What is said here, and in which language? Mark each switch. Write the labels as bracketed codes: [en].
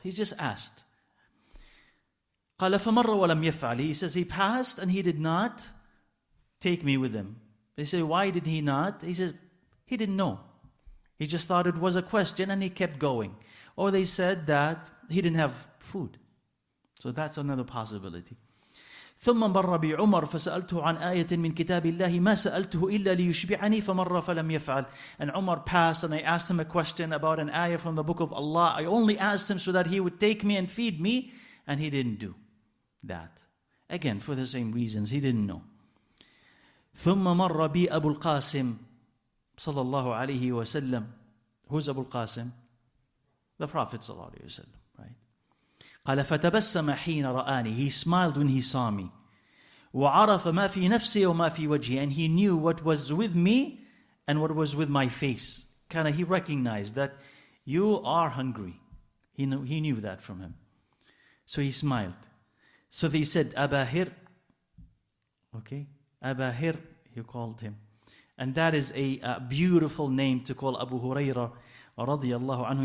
[en] He's just asked. [ar] قال فمر ولم يفعل. [en] He says he passed and he did not take me with him. They say, why did he not? He says, he didn't know. He just thought it was a question and he kept going. Or they said that he didn't have food. So that's another possibility. [ar] ثم مر بعمر فسألته عن آية من كتاب الله ما سألته إلا ليشبعني فمر فلم يفعل. [en] And Umar passed and I asked him a question about an ayah from the book of Allah. I only asked him so that he would take me and feed me. And he didn't do that. Again, for the same reasons, he didn't know. [ar] ثم مر بي أبو القاسم صلى الله عليه وسلم. [en] Who's Abu al-Qasim? The Prophet صلى الله عليه وسلم, right? [ar] قال فتبسم حين رآني. [en] He smiled when he saw me. [ar] وعرف ما في نفسي وما في وجهي. [en] And he knew what was with me and what was with my face. Kind of he recognized that you are hungry. He knew that from him. So he smiled. So they said, Abahir. Okay. Abahir, he called him. And that is a beautiful name to call Abu Huraira radiallahu anhu.